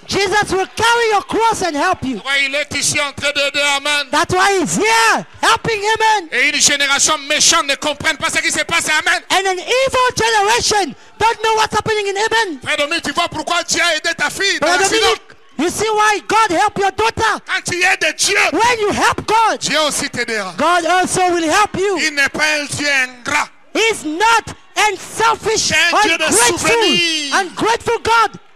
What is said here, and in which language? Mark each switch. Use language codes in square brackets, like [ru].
[en] Jesus will carry your cross and help you. [fr] Ouais, il est ici en train d'aider, amen. [en] That's why he's here, helping, amen. [fr] Et une génération méchante ne comprend pas ce qui se passe, amen. [en] And an evil generation don't know what's happening in heaven. [fr] Frère Dominique, tu vois pourquoi Dieu a aidé ta fille dans la synagogue? [en] You see why God help your daughter? [fr] Quand tu aides Dieu, [en] when you help God, [fr] Dieu aussi t'aidera. [en] God also will help you. [fr] Il n'est pas un Dieu ingrat. [en] is not and selfish, ungrateful God.